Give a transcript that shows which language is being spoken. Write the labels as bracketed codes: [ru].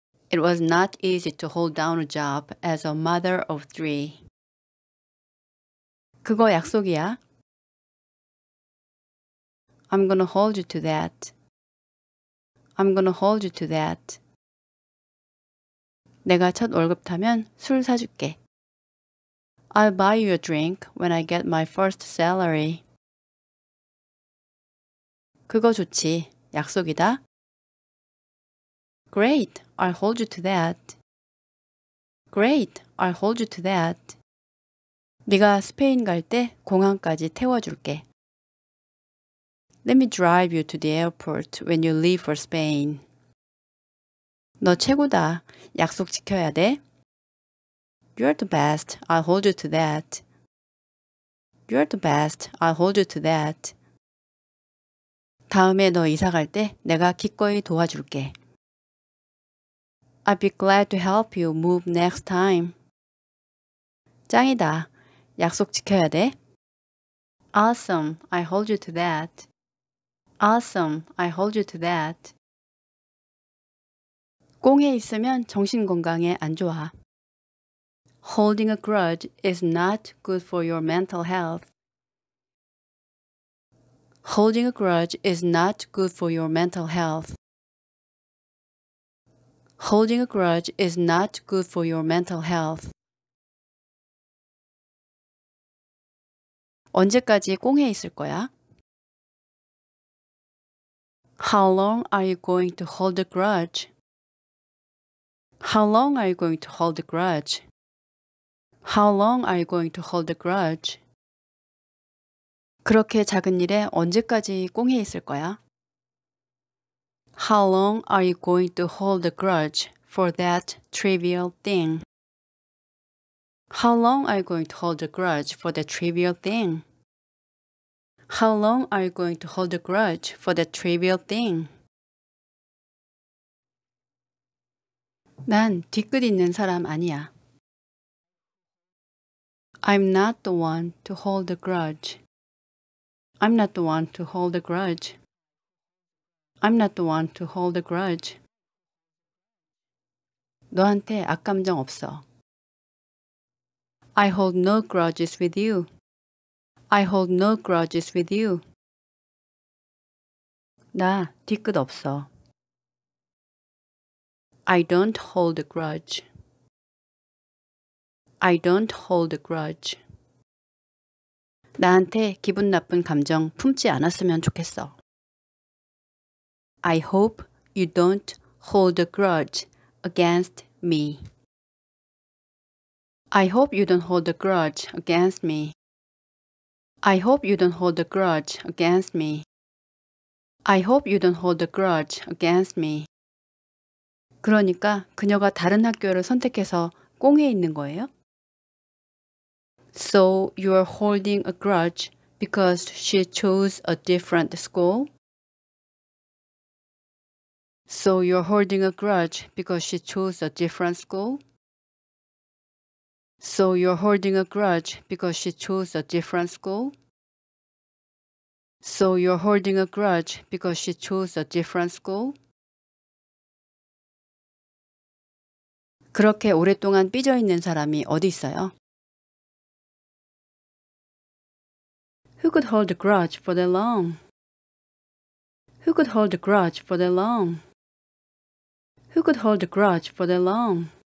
[en] It was not easy to hold down a job as a mother of three. [ko] 그거 약속이야. [en] I'm gonna hold you to that. I'm gonna hold you to that. [ko] 내가 첫 월급 타면 술 사줄게. [en] I'll buy you a drink when I get my first salary. [ko] 그거 좋지. 약속이다. [en] Great. I'll hold you to that. Great. I'll hold you to that. [ko] 네가 스페인 갈 때 공항까지 태워줄게. [en] Let me drive you to the airport when you leave for Spain. [ko] 너 최고다. 약속 지켜야 돼. [en] You're the best. I'll hold you to that. You're the best. I'll hold you to that. [ko] 다음에 너 이사 갈 때 내가 기꺼이 도와줄게. [en] I'd be glad to help you move next time. [ko] 짱이다. 약속 지켜야 돼. [en] Awesome. I hold you to that. Awesome. I hold you to that. [ko] 꽁에 있으면 정신 건강에 안 좋아. [en] Holding a grudge is not good for your mental health. Holding a grudge is not good for your mental health. Holding a grudge is not good for your mental health. [ko] 언제까지 꽁에 있을 거야? [en] How long are you going to hold a grudge? How long are you going to hold a grudge? How long are you going to hold a grudge? [ko] 그렇게 작은 일에 언제까지 꽁해 있을 거야? [en] How long are you going to hold a grudge for that trivial thing? How long are you going to hold a grudge for that trivial thing? How long are you going to hold a grudge for that trivial thing? [ko] 난 뒤끝 있는 사람 아니야. [en] I'm not the one to hold a grudge. I'm not the one to hold a grudge. I'm not the one to hold a grudge. [ko] 너한테 악감정 없어. [en] I hold no grudges with you. I hold no grudges with you. [ko] 나 뒤끝 없어. [en] I don't hold a grudge. I don't hold a grudge. [ko] 나한테 기분 나쁜 감정 품지 않았으면 좋겠어. [en] I hope you don't hold a grudge against me. I hope you don't hold a grudge against me. I hope you don't hold a grudge against me. I hope you don't hold a grudge against me. [ko] 그러니까 그녀가 다른 학교를 선택해서 꽁에 있는 거예요? [en] So you're holding a grudge because she chose a different school? So you're holding a grudge because she chose a different school? So you're holding a grudge because she chose a different school? So you're holding a grudge because she chose a different school? [ko] 그렇게 오랫동안 삐져 있는 사람이 어디 있어요? [en] Who could hold a grudge for that long? Who could hold a grudge for that long? Who could hold a grudge for that long?